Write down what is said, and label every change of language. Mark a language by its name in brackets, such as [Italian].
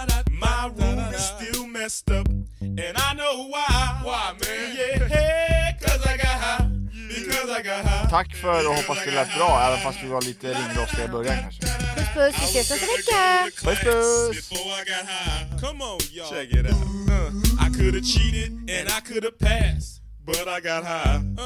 [English] My room is still messed up and I know why man. Yeah, cuz I got high. Because I got high. [Swedish] Tack för att du hoppas det lät bra, även fast vi var lite ringrostiga i början kanske. Puss puss, vi ses nästa vecka. Puss puss. [English] Come on y'all. Check it out. I could have cheated and I could have passed. But I got high.